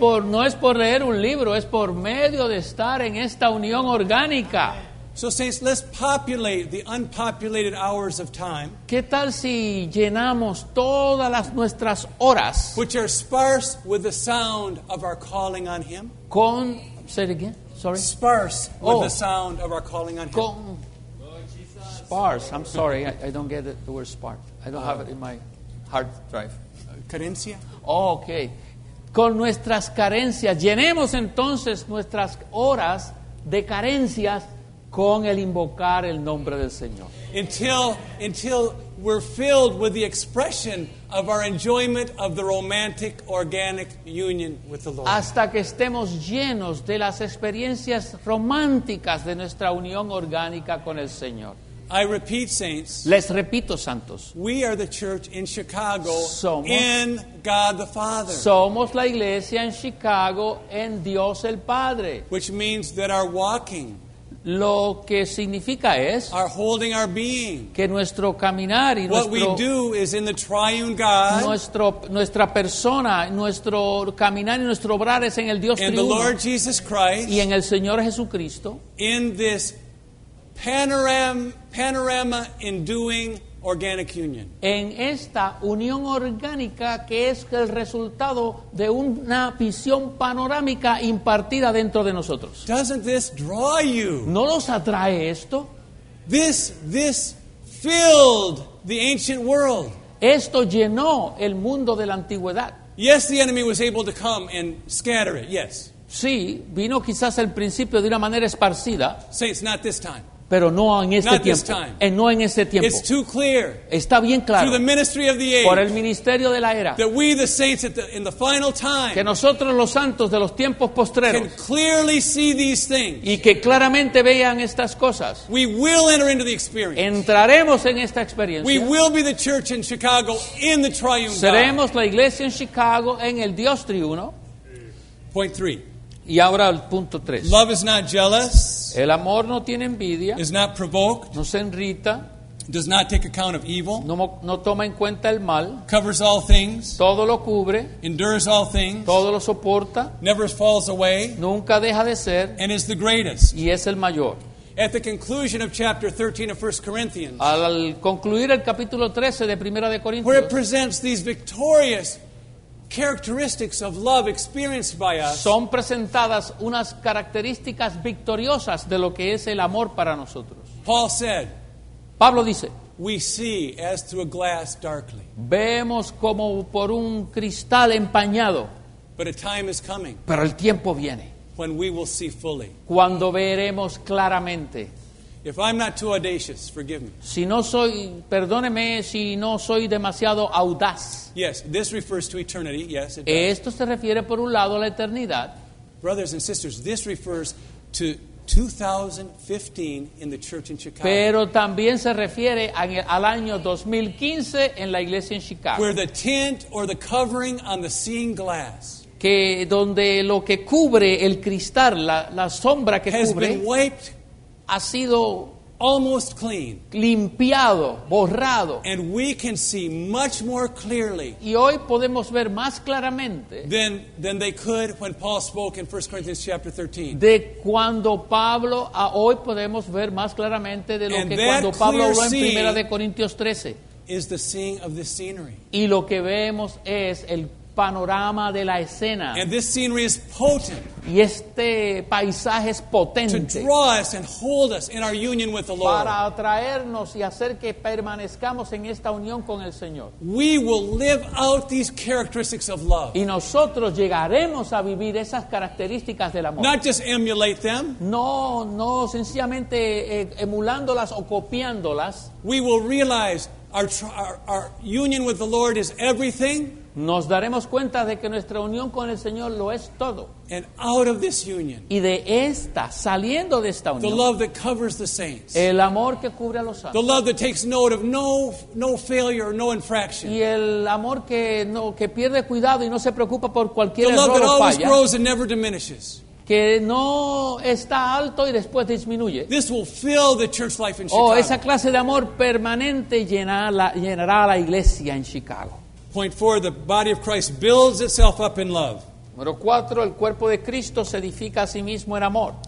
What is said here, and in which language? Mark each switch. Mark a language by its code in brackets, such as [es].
[es] No es por leer un libro, es por medio de estar en esta unión orgánica. [en] So saints, let's populate the unpopulated hours of time. [es] ¿Qué tal si llenamos todas nuestras horas? [en] Which are sparse with the sound of our calling on him. [es] Con, [en] say it again, sorry. Sparse with the sound of our calling on him. [es] Con, [en] sparse, I'm sorry, I don't get the word sparse. I don't have it in my hard drive. [es] Carencia. [en] Oh, okay. [es] Con nuestras carencias, llenemos entonces nuestras horas de carencias con el invocar el nombre del Señor. [en] Until we're filled with the expression of our enjoyment of the romantic, organic union with the Lord. [es] Hasta que estemos llenos de las experiencias románticas de nuestra unión orgánica con el Señor. [en] I repeat, saints. [es] Les repito, santos. [en] We are the church in Chicago. [es] Somos, [en] in God the Father. [es] Somos la iglesia en Chicago en Dios el Padre. [en] Which means that our walking. [es] Lo que significa es. [en] Our holding our being. [es] Que nuestro caminar y [en] what [es] nuestro. [en] What we do is in the triune God. [es] Nuestra persona, nuestro caminar y nuestro obrar es en el Dios triuno. [en] In the Lord Jesus Christ. [es] Y en el Señor Jesucristo. [en] In this panorama in doing organic union. [es] En esta unión orgánica que es el resultado de una visión panorámica impartida dentro de nosotros. [en] Doesn't this draw you? [es] ¿No los atrae esto? [en] This filled the ancient world. [es] Esto llenó el mundo de la antigüedad. [en] Yes, the enemy was able to come and scatter it. Yes. [es] Sí, vino quizás al principio de una manera esparcida. [en] Saints, not this time. [es] Pero no en este tiempo. No en este tiempo. [en] It's too clear. [es] Está bien claro. [en] Through the ministry of the age, [es] por el ministerio de la era. [en] That we, the saints, in the final time, [es] que nosotros los santos de los tiempos postreros. [en] Can clearly see these things. [es] Y que claramente vean estas cosas. [en] We will enter into the experience. [es] Entraremos en esta experiencia. [en] We will be the church in Chicago in the triune God. [es] Seremos la iglesia en Chicago en el Dios triuno. [en] Point three. [es] Y ahora el punto 3. [en] Love is not jealous. [es] El amor no tiene envidia. [en] Is not provoked. [es] No se irrita. [en] Does not take account of evil. [es] No toma en cuenta el mal. [en] Covers all things. [es] Todo lo cubre. [en] Endures all things. [es] Todo lo soporta. [en] Never falls away. [es] Nunca deja de ser. [en] And is the greatest. [es] Y es el mayor. [en] At the conclusion of chapter 13 of 1 Corinthians. [es] Al concluir el capítulo 13 de Primera de Corintios. [en] Where it presents these victorious characteristics of love experienced by us. [es] Son presentadas unas características victoriosas de lo que es el amor para nosotros. [en] Paul said. [es] Pablo dice. [en] We see as through a glass darkly. [es] Vemos como por un cristal empañado. [en] But a time is coming. [es] Pero el tiempo viene. [en] When we will see fully. [es] Cuando veremos claramente. [en] If I'm not too audacious, forgive me. [es] Si no soy, perdóneme si no soy demasiado audaz. [en] Yes, this refers to eternity. Yes, it does. [es] Esto se refiere por un lado a la eternidad. [en] Brothers and sisters, this refers to 2015 in the church in Chicago. [es] Pero también se refiere al año 2015 en la iglesia en Chicago. [en] Where the tint or the covering on the seeing glass. [es] Que donde lo que cubre el cristal, la sombra que [en] has [es] cubre. [en] Has been wiped. [es] Ha sido [en] almost clean, [es] limpiado, borrado, [en] and we can see much more clearly. [es] Y hoy podemos ver más claramente [en] than they could when Paul spoke in 1 Corinthians chapter 13. [es] De cuando Pablo a hoy podemos ver más claramente de lo [en] and [es] que cuando Pablo habló en Primera de Corintios 13. [en] Is the seeing of the scenery. [es] Y lo que vemos es el panorama de la escena. [en] And this scenery is potent. [es] Y este paisaje es potente. [en] To draw us and hold us in our union with the Lord. [es] Para atraernos y hacer que permanezcamos en esta unión con el Señor. [en] We will live out these characteristics of love. [es] Y nosotros llegaremos a vivir esas características del amor. [en] Not just emulate them. [es] No sencillamente emulándolas o copiándolas. [en] We will realize our union with the Lord is everything. [es] Nos daremos cuenta de que nuestra unión con el Señor lo es todo. [en] And out of this union, [es] y de esta, saliendo de esta unión, [en] the love that covers the saints, [es] el amor que cubre a los santos, [en] the love that takes note of no failure, no infraction, [es] y el amor que pierde cuidado y no se preocupa por cualquier error o falla, [en] the love that always grows and never diminishes, [es] que no está alto y después disminuye. [en] This will fill the church life in Chicago. [es] Oh, esa clase de amor permanente llenará la iglesia en Chicago. [en] Point four, the body of Christ builds itself up in love. [es] Número cuatro, el cuerpo de Cristo se edifica a sí mismo en amor.